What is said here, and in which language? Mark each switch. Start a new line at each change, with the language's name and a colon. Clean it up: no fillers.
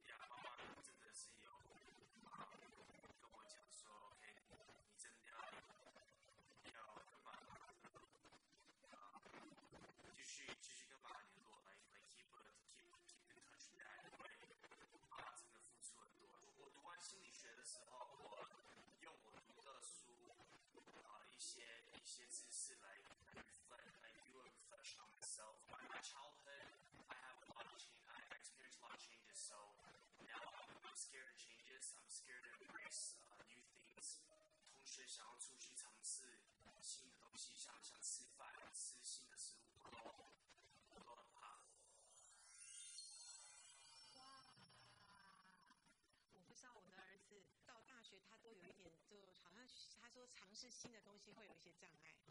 Chinese: 呀，妈妈真的是有跟我讲说 ，OK， 你真的要跟爸爸继续跟爸爸联络，
English: keep in touch with that，
Chinese: 因为爸爸真的付出很多。我读完心理学的时候，我用我读的书一些知识来 reflect，
English: like do a reflection on myself. My childhood, I have a lot of change. I experienced a lot of changes. So now I'm scared of changes. I'm scared to embrace new things.
Chinese: 同学想要出去尝试新的东西，想吃饭吃新的食物，我都很怕。哇，我不知道我的儿子到大学他都有一点，就好像他说尝试新的东西会有一些障碍。